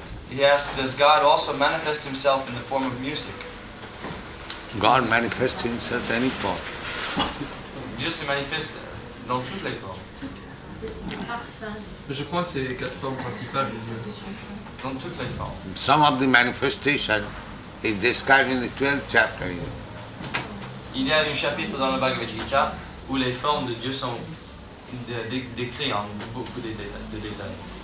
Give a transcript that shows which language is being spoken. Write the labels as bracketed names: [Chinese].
[English] He asked, does God also manifest himself in the form of music? God manifests himself in any form. [French] Dieu se manifeste dans toutes les formes. Je crois que c'est les quatre formes principales de Dieu. [English] Some of the manifestation is described in the 12th chapter. [French] Il y a un chapitre dans le Bhagavad Gita où les formes de Dieu sont décrites en beaucoup de détails.